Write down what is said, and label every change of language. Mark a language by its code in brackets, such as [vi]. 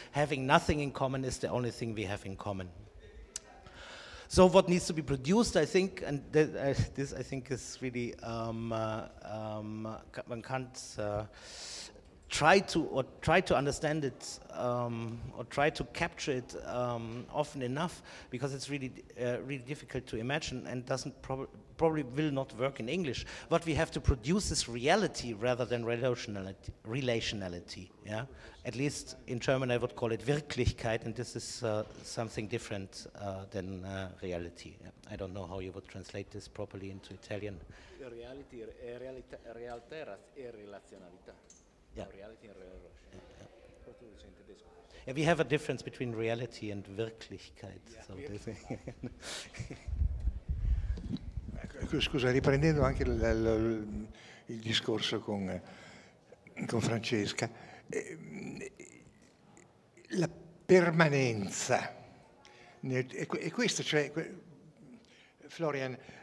[en] Having nothing in common is the only thing we have in common. So what needs to be produced, I think, and this I think is really, one can't try to understand it or try to capture it often enough, because it's really really difficult to imagine and doesn't probably will not work in English. What we have to produce is reality rather than relationality. Yeah, at least in German I would call it Wirklichkeit, and this is something different than reality. I don't know how you would translate this properly into Italian. [it] Reality, realtà, realtà e relazionalità. [en] Yeah. Reality and relationship. Yeah. Yeah, we have a difference between reality and Wirklichkeit. Yeah. So yeah. [it] Scusa, riprendendo anche il discorso con Francesca, la permanenza, è questo, cioè, Florian,